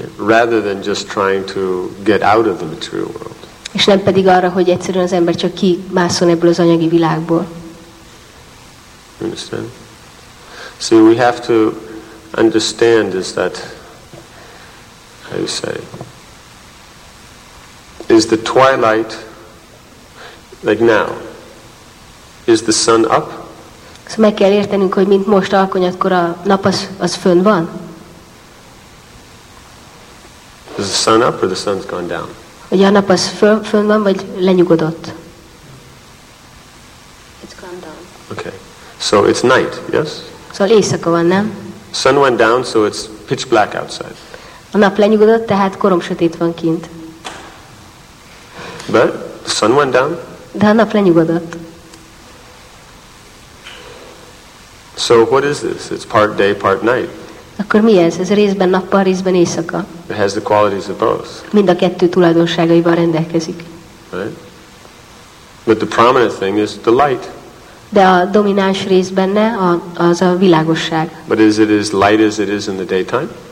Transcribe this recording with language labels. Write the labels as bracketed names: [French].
[English] Rather than just trying to get out of the material world. [Hungarian] És nem pedig arra, hogy egyszerűen az ember csak kimászon ebből az anyagi világból. [English] Understand? See, we have to understand is that, how you say, is the twilight, like now, is the sun up? [Hungarian] Szóval meg kell értenünk, hogy mint most alkonyatkor a nap az fönn van. [English] Is the sun up or the sun's gone down? [Hungarian] Hogy a nap az fönn van, vagy lenyugodott? [English] It's gone down. Okay. So it's night, yes? [Hungarian] Szóval éjszaka van, nem? [English] Sun went down, so it's pitch black outside. [Hungarian] A nap lenyugodott, tehát korom sötét van kint. [English] But the sun went down. [Hungarian] De a nap lenyugodott. [English] So what is this? It's part day, part night. [Hungarian] Akkor mi ez? Ez részben nappal, részben éjszaka. [English] It has the qualities of both. [Hungarian] Mind a kettő tulajdonságaival rendelkezik. [English] Right? But the prominent thing is the light. [Hungarian] De a domináns rész benne az a világosság. [English] But is it as light as it is in the daytime?